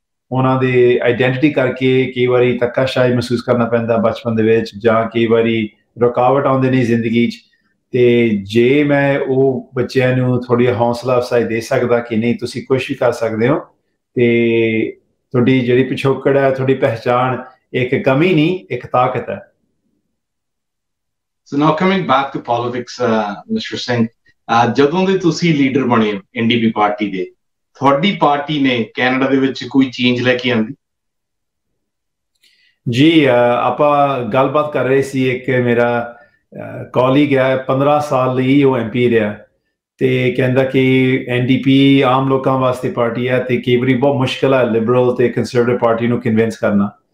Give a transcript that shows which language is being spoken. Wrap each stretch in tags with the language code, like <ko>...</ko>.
<pa>ਉਹਨਾਂ ਦੇ ਆਈਡੈਂਟੀ ਕਰਕੇ ਕਈ ਵਾਰੀ ਧੱਕਾਸ਼ਾਹੀ ਮਹਿਸੂਸ ਕਰਨਾ ਪੈਂਦਾ ਬਚਪਨ ਦੇ ਵਿੱਚ ਜਾਂ ਕਈ ਵਾਰੀ ਰੁਕਾਵਟ ਆਉਂਦੇ ਨੇ ਜ਼ਿੰਦਗੀ 'ਚ ਤੇ ਜੇ ਮੈਂ ਉਹ ਬੱਚਿਆਂ ਨੂੰ ਥੋੜ੍ਹੀ ਹੌਸਲਾ ਅਫਜ਼ਾਈ ਦੇ ਸਕਦਾ ਕਿ ਨਹੀਂ ਤੁਸੀਂ ਕੁਛ ਵੀ ਕਰ ਸਕਦੇ ਹੋ ਤੇ ਤੁਹਾਡੀ ਜਿਹੜੀ ਪਿਛੋਕੜ ਹੈ ਤੁਹਾਡੀ ਪਹਿਚਾਣ ਇੱਕ ਕਮੀ ਨਹੀਂ ਇੱਕ ਤਾਕਤ ਹੈ</pa> <en>So now coming back to politics, Mr.</en> <pa>Singh, ਜਦੋਂ ਦੇ ਤੁਸੀਂ ਲੀਡਰ ਬਣੇ ਐਨਡੀਪੀ ਪਾਰਟੀ ਦੇ ਤੁਹਾਡੀ ਪਾਰਟੀ ਨੇ ਕੈਨੇਡਾ ਦੇ ਵਿੱਚ ਕੋਈ ਚੇਂਜ ਲੈ ਕੇ ਆਂਦੀ ਜੀ ਆਪਾਂ ਗੱਲਬਾਤ ਕਰ ਰਹੇ ਸੀ ਇੱਕ ਮੇਰਾ ਕੋਲੀਗ ਹੈ 15 ਸਾਲ ਲਈ ਉਹ MP ਰਿਹਾ ਤੇ ਕਹਿੰਦਾ ਕਿ ਐਨਡੀਪੀ ਆਮ ਲੋਕਾਂ ਵਾਸਤੇ ਪਾਰਟੀ ਹੈ ਤੇ ਕਈ ਵਾਰੀ ਬਹੁਤ ਮੁਸ਼ਕਲ ਹੈ ਲਿਬਰਲ ਤੇ ਕੰਜ਼ਰਵੇਟਿਵ ਪਾਰਟੀ ਨੂੰ ਕਨਵਿੰਸ ਕਰਨਾ</pa>